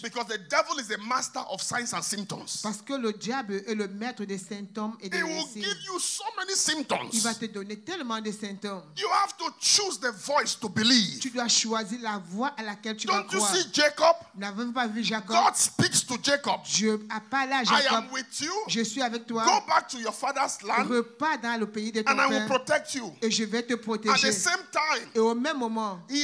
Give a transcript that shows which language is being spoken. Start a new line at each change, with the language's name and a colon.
English: Because the devil is the master of signs and symptoms.
French: Parce que le diable est le maître des symptômes et des signes.
English: He will give you so many symptoms.
French: Il va te donner tellement de symptômes.
English: You have to choose the voice to believe.
French: Tu dois choisir la voix à laquelle tu
English: Don't
French: vas croire.
English: Don't you see Jacob?
French: N'avez-vous pas vu Jacob?
English: God speaks to Jacob.
French: Je a parlé à Jacob.
English: I am with you.
French: Je suis avec toi.
English: Go back to your father's land.
French: Repars dans le pays de ton
English: and
French: père.
English: And I will protect you.
French: Et je vais te protéger.
English: At the same time.
French: Et au même moment.